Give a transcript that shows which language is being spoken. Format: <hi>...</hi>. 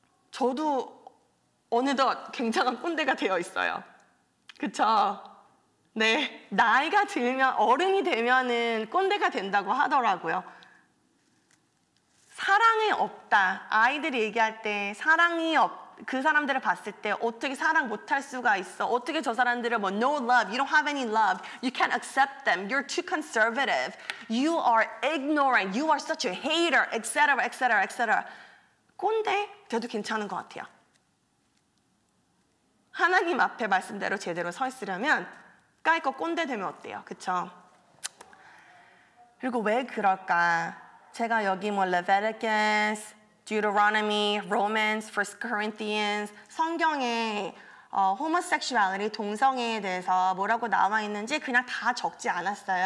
<ko>저도 어느덧 굉장한 꼰대가 되어 있어요. 그렇죠? 네, 나이가 들면 어른이 되면은 꼰대가 된다고 하더라고요. 사랑이 없다. 아이들이 얘기할 때 사랑이 없, 그 사람들을 봤을 때 어떻게 사랑 못할 수가 있어? 어떻게 저 사람들을 뭐</ko> <en>no love, you don't have any love, you can't accept them, you're too conservative, you are ignorant, you are such a hater, etc. etc. etc.</en> <ko>꼰대 돼도 괜찮은 것 같아요. 하나님 앞에 말씀대로 제대로 서 있으려면 까이거 꼰대 되면 어때요? 그렇죠? 그리고 왜 그럴까? 제가 여기 뭐 Leviticus, Deuteronomy, Romans, 1 Corinthians 성경에 homosexuality, 동성애에 대해서 뭐라고 나와 있는지 그냥 다 적지 않았어요.</ko>